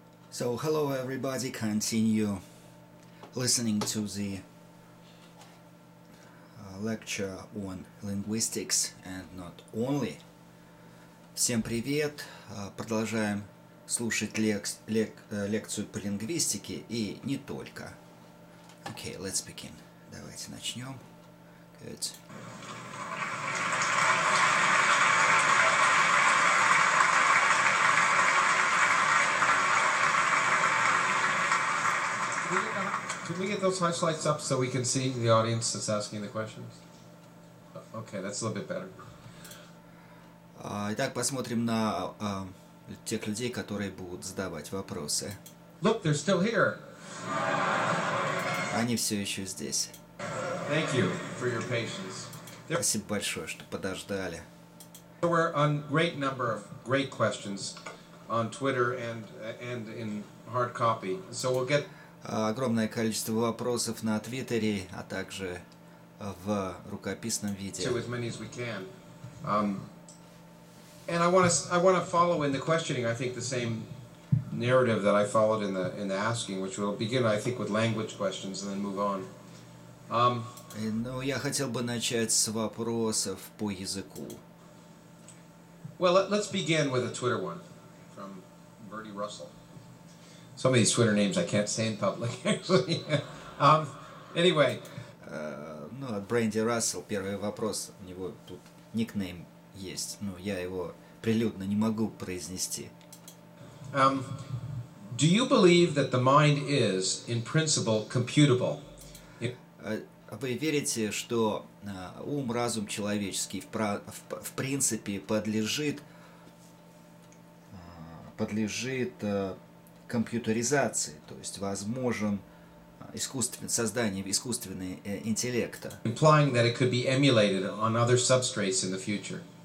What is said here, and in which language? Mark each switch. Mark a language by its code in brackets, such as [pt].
[en] So hello everybody, continue listening to the lecture on linguistics and not only. [ru] Всем привет! Продолжаем слушать лекцию по лингвистике и не только. [en] Okay, let's begin. [ru] Давайте начнем. [en] Good. Can we get those flashlights up so we can see the audience that's asking the questions? Okay, that's a little bit better. [ru] Итак, посмотрим на тех людей, которые будут задавать вопросы. [en] Look, they're still here. [ru] Они все еще здесь. [en] Thank you for your patience. [ru] Спасибо большое, что подождали. [en] There were a great number of great questions on Twitter and in hard copy. So we'll get [ru] огромное количество вопросов на Твиттере, а также в рукописном виде. [en] To as many as we can. And I want to follow in the questioning. I think the same narrative that I followed in the asking, which will begin, I think, with language questions and then move on. [ru] Я хотел бы начать с вопросов по языку. [en] Well, let's begin with a Twitter one from Bertie Russell. Some of these Twitter names I can't say in public, actually. Anyway. [ru] От Бренди Рассел первый вопрос. У него тут никнейм есть, но я его прилюдно не могу произнести. [en] Do you believe that the mind is, in principle, computable? [ru] Вы верите, что ум, разум человеческий в принципе подлежит компьютеризации, то есть возможен создание искусственного интеллекта. [en] Implying that it could be emulated on other substrates in the future.